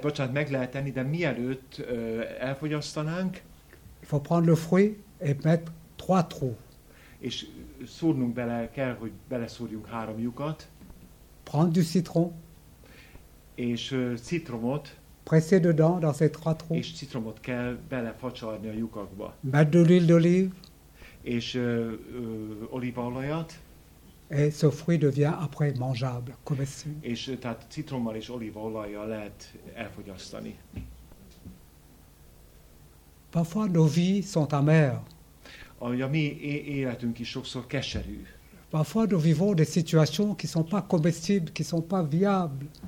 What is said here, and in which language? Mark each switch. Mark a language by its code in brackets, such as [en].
[hu] Meg lehet enni, de mielőtt elfogyasztanánk, [fr] il faut prendre le fruit et mettre trois trous. [hu] És szúrnunk bele kell, hogy beleszúrjunk három lyukat. [fr] Prendre du citron. [hu] És citromot. [fr] Presser dedans, dans ces trois trous. [hu] És citromot kell belefacsarni a lyukakba. [fr] Mettre de l'huile d'olive. [hu] És olívaolajat. [fr] Et ce fruit devient après mangeable, comestible. [hu] És tehát citrommal és olívaolajjal lehet elfogyasztani. [fr] Parfois nos vies sont amères. [hu] A mi életünk is sokszor keserű. [fr] Parfois nous vivons des situations qui sont pas comestibles, qui sont pas viables.